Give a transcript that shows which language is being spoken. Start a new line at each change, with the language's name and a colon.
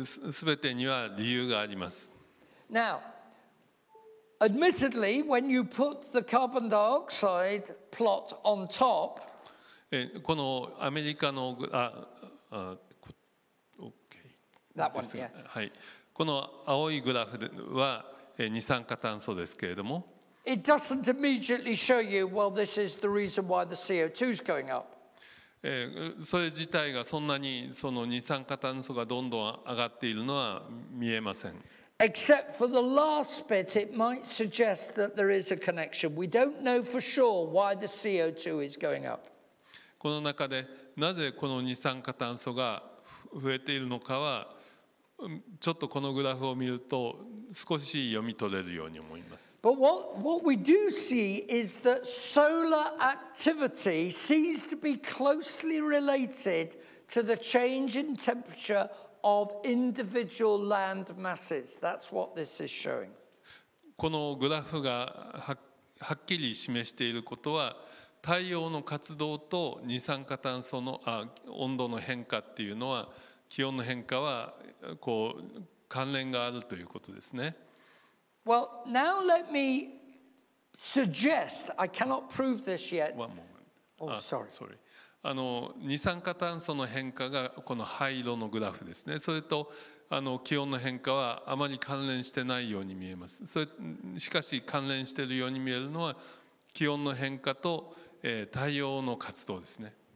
Japanese: すべてには理由があります。
English: Now, admittedly, when you put the carbon dioxide plot on top,
Japanese: このアメリカのこの青いグラフは二酸化炭素ですけれども、
English: It doesn't immediately show you, well, this is the reason why the CO2 is going up.
Japanese: それ自体がそんなにその二酸化炭素がどんどん上がっているのは見えません。
English: Except for the last bit, it might suggest that there is a connection. We don't know for sure why the CO2 is going up.
Japanese: この中でなぜこの二酸化炭素が増えているのかはちょっとこのグラフを見ると少し読み取れるように思います。
English: But what we do see is that solar activity seems to be closely related to the change in temperature of individual land masses. That's what this is showing.
Japanese: このグラフがはっきり示していることは太陽の活動と二酸化炭素の温度の変化っていうのは気温の変化はこう関連があるということですね。
English: Well, now let me suggest, I cannot prove this yet. One moment. Oh, sorry. Sorry.
Japanese: 二酸化炭素の変化がこの灰色のグラフですね。それと気温の変化はあまり関連してないように見えます。それしかし関連しているように見えるのは気温の変化と太陽の活動ですね。